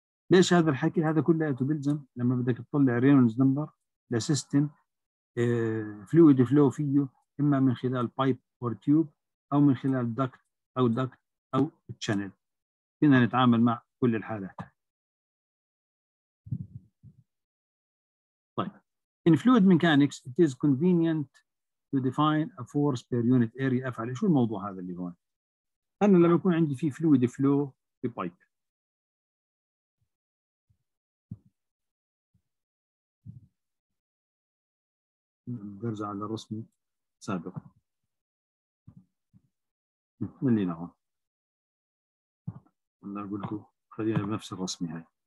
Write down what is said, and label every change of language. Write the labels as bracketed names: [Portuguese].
[Arabic] ليش هذا الحكي؟ هذا كله بيلزم لما بدك تطلع رينولدز نمبر لسيستم فلويد فلو فيه، إما من خلال بايب أو تيوب أو من خلال دكت أو دكت أو تشانل. فينا نتعامل مع كل الحالات. [English] In fluid mechanics, it is convenient to define a force per unit area. [Arabic] أفعل شو الموضوع هذا اللي هون؟ أنا لما يكون عندي في fluid flow في pipe، برجع على الرسم السابق اللي نحن أنا أقولكم خلينا بنفس الرسم هاي.